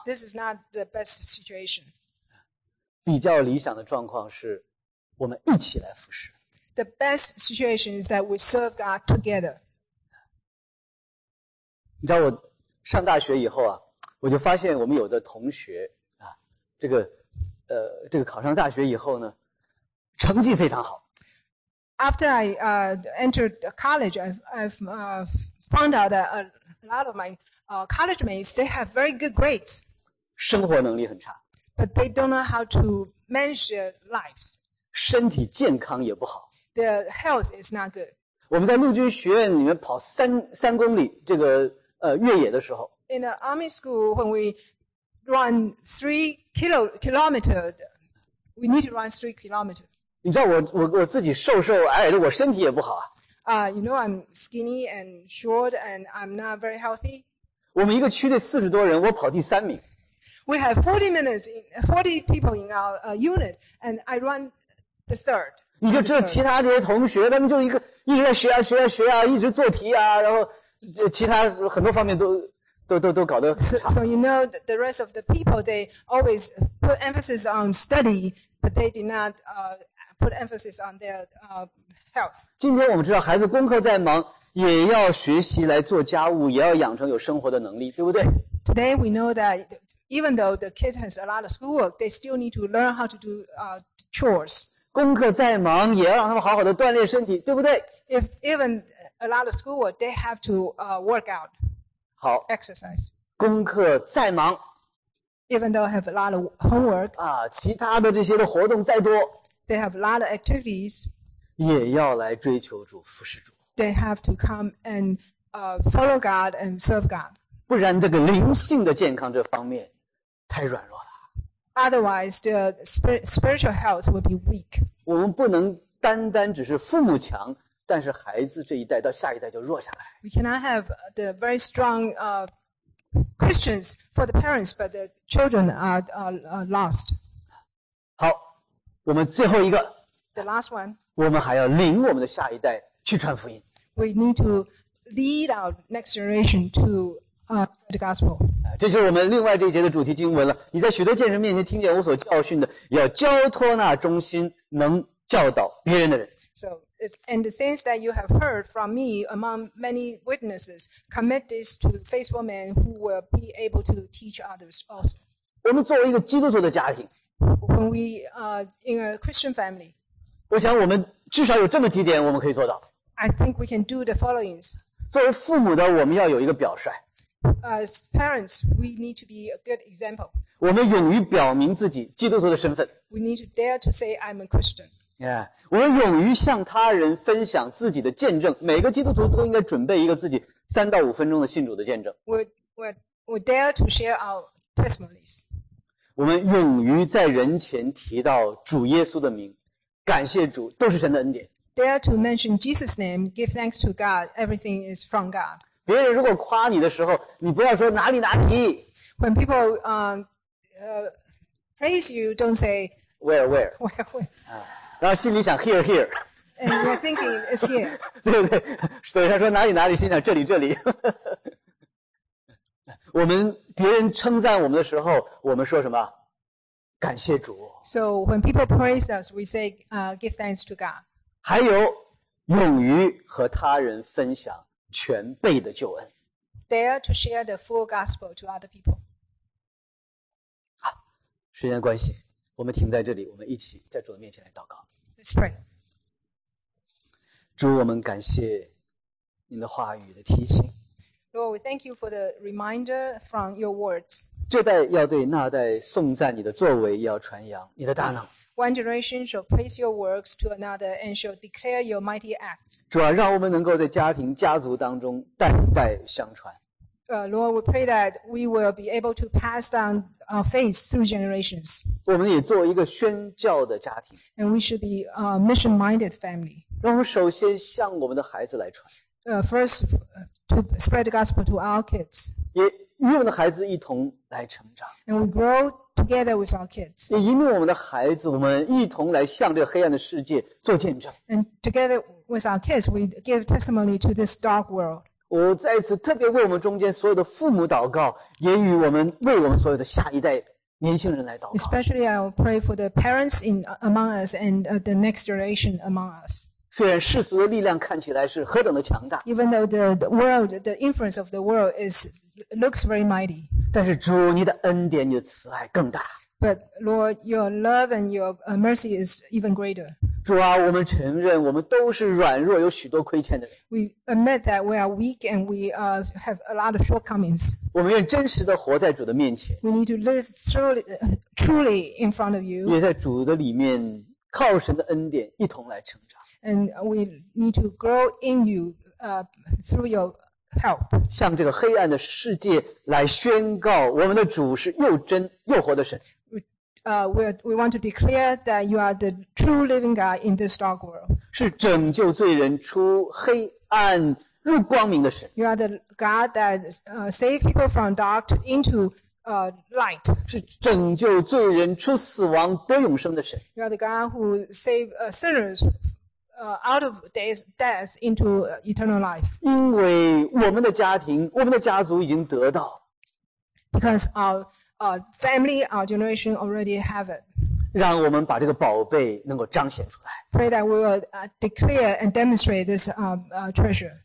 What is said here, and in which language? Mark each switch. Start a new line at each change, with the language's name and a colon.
English: This is not the best situation.
Chinese: 比较理想的状况是，我们一起来服侍。
English: The best situation is that we serve God together.
Chinese: 你知道我上大学以后啊，我就发现我们有的同学。这个考上大学以后呢，成绩非常好。
English: After I entered college, I've found out that a lot of my college mates they have very good grades.
Chinese: 生活能力很差。
English: But they don't know how to manage their lives.
Chinese: 身体健康也不好。
English: their health is not good.
Chinese: 我们在陆军学院里面跑三公里这个越野的时候。
English: In the army school, when we run three kilometers, we need to run 3 kilometers.
Chinese: 你知道我自己瘦瘦矮矮的，我身体也不好啊。
English: You know I'm skinny and short, and I'm not very healthy.
Chinese: 我们一个区队四十多人，我跑第三名。
English: We have 40 people in our unit, and I run the third.
Chinese: 你就知道其他这些同学，他们就一个一直在学啊学啊学啊，一直做题啊，然后其他很多方面都搞得。
English: So you know the rest of the people, they always put emphasis on study, but they did not put emphasis on their health.
Chinese: 今天我们知道，孩子功课再忙，也要学习来做家务，也要养成有生活的能力，对不对？
English: Today we know that. Even though the kids has a lot of schoolwork, they still need to learn how to do chores.
Chinese: 功课再忙，也要让他们好好的锻炼身体，对不对？
English: If even a lot of schoolwork, they have to work out.
Chinese: 好
English: exercise.
Chinese: 功课再忙，
English: even though have a lot of homework.
Chinese: 啊，其他的这些的活动再多，
English: they have a lot of activities.
Chinese: 也要来追求主，服侍主。
English: They have to come and follow God and serve God.
Chinese: 不然这个灵性的健康这方面太软弱了。
English: Otherwise, the spiritual health will be weak.
Chinese: 我们不能单单只是父母强，但是孩子这一代到下一代就弱下来。
English: We cannot have the very strong Christians for the parents, but the children are lost.
Chinese: 好，我们最后一个。
English: The last one.
Chinese: 我们还要领我们的下一代去传福音。
English: We need to lead our next generation to. The gospel.
Chinese: 这就是我们另外这一节的主题经文了。你在许多见证面前听见我所教训的，要交托那忠心能教导别人的人。
English: So, and the things that you have heard from me among many witnesses, commit this to faithful men who will be able to teach others also.
Chinese: 我们作为一个基督徒的家庭，
English: when we in a Christian family,
Chinese: 我想我们至少有这么几点我们可以做到。
English: I think we can do the followings.
Chinese: 作为父母的，我们要有一个表率。
English: As parents, we need to be a good example.
Chinese: 我们勇于表明自己基督徒的身份。
English: We need to dare to say I'm a Christian.
Chinese: Yeah, 我们勇于向他人分享自己的见证。每个基督徒都应该准备一个自己3到5分钟的信主的见证。
English: We dare to share our testimonies.
Chinese: 我们勇于在人前提到主耶稣的名，感谢主，都是神的恩典。
English: Dare to mention Jesus' name, give thanks to God. Everything is from God.
Chinese: 别人如果夸你的时候，你不要说哪里哪里。
English: When people praise you, don't say where where where where.
Chinese: 然后心里想
English: here here. And you're thinking it's here.
Chinese: 对不对？嘴上说哪里哪里，心想这里这里。我们别人称赞我们的时候，我们说什么？感谢主。
English: So when people praise us, we say give thanks to God.
Chinese: 还有，勇于和他人分享。全备的救恩。
English: Dare to share the full gospel to other people.
Chinese: 好，时间关系，我们停在这里，我们一起在主的面前来祷告。
English: Let's pray.
Chinese: 主，我们感谢您的话语的提醒。
English: Lord, we thank you for the reminder from your words.
Chinese: 这代要对那代颂赞你的作为，要传扬你的大能。
English: One generation shall praise your works to another and shall declare your mighty acts.
Chinese: 主啊，让我们能够在家庭家族当中代代相传。
English: Lord, we pray that we will be able to pass down our faith through generations.
Chinese: 我们也做一个宣教的家庭。
English: And we should be a mission-minded family.
Chinese: 让我们首先向我们的孩子来传。
English: First, to spread the gospel to our kids.
Chinese: 也与我们的孩子一同来成长。
English: And we growTogether with our kids.
Chinese: 也引领我们的孩子，我们一同来向这黑暗的世界做见证。
English: And together with our kids, we give testimony to this dark world.
Chinese: 我再次特别为我们中间所有的父母祷告，也与我们为我们所有的下一代年轻人来祷告。
English: Especially, I will pray for the parents in among us and the next generation among us.
Chinese: 虽然世俗的力量看起来是何等的强大。
English: Even though the influence of the world looks very mighty.
Chinese: 但是主，你的恩典、你的慈爱更大。
English: But Lord, your love and your mercy is even greater.
Chinese: 主啊，我们承认我们都是软弱、有许多亏欠的人。
English: We admit that we are weak and we have a lot of shortcomings.
Chinese: 我们愿真实的活在主的面前。 We need to live truly in front of you. 也在主的里面靠神的恩典一同来成长。
English: And we need to grow in you, through your help.
Chinese: 向这个黑暗的世界来宣告，我们的主是又真又活的神。
English: We want to declare that you are the true living God in this dark world.
Chinese: 是拯救罪人出黑暗入光明的神。
English: You are the God that save people from dark into light.
Chinese: 是拯救罪人出死亡得永生的神。
English: You are the God who save sinners out of death into eternal life.
Chinese: 因为我们的家庭，我们的家族已经得到。
English: Because our family, our generation already have it.
Chinese: 让我们把这个宝贝能够彰显出来。
English: Pray that we will declare and demonstrate this treasure.